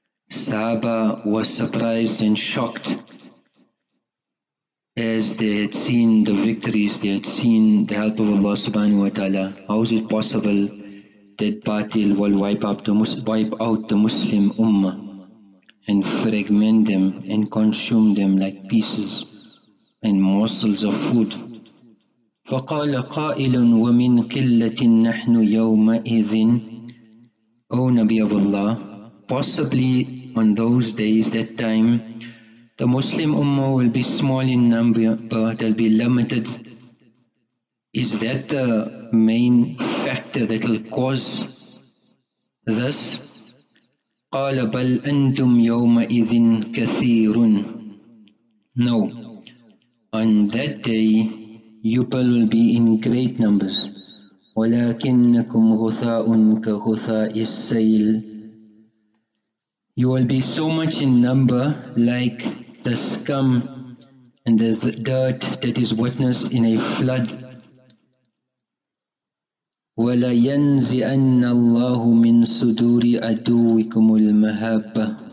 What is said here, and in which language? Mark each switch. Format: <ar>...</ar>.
<en>Sahaba was surprised and shocked as they had seen the victories, they had seen the help of Allah subhanahu wa ta'ala. How is it possible that batil will wipe out the Muslim ummah and fragment them and consume them like pieces and morsels of food?</en> <ar>فقال قائل ومن قلة نحن يومئذ.</ar> <en>O Nabi of Allah, possibly on those days, that time, the Muslim ummah will be small in number, but they'll be limited. Is that the main factor that will cause this?</en> <ar>قال بل أنتم يومئذ كثيرون.</ar> <en>No, on that day, people will be in great numbers.</en> <ar>ولكنكم غثاء كغثاء السيل.</ar> <en>You will be so much in number like the scum and the dirt that is witnessed in a flood.</en> <ar>وَلَيَنْزِئَنَّ اللَّهُ مِنْ صُدُورِ أَدُوِّكُمُ الْمَهَابَةِ.</ar>